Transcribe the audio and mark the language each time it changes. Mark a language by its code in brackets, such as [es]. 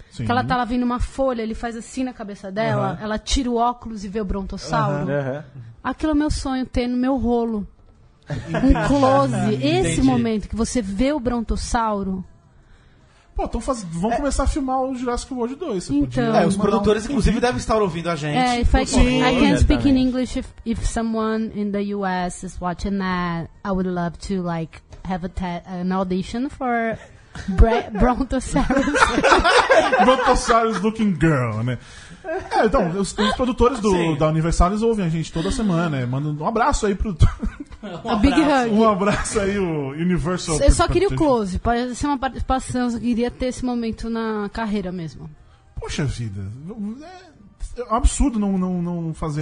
[pt] Que ela tá lá vindo uma folha, ele faz assim na cabeça dela, uh-huh. Ela tira o óculos e vê o brontossauro. Uh-huh. Aquilo é meu sonho ter no meu rolo. Um close, esse entendi. Momento que você vê o brontossauro. Pô, vão começar a filmar o Jurassic World 2. Você então, podia... É, os produtores, inclusive, devem estar ouvindo a gente. [en] É, if I can't speak in English, if someone in the US is watching that, I would love to, like, have an audition for Brontosaurus. Brontosaurus looking girl, né? [pt] É, então, os produtores da Universal, eles ouvem a gente toda semana, né? Manda um abraço aí pro... Um abraço. [en] Big hug. [pt] Um abraço aí, o Universal. Eu só queria o close, pode ser uma participação, eu queria ter esse momento na carreira mesmo. Poxa vida, é um absurdo não fazer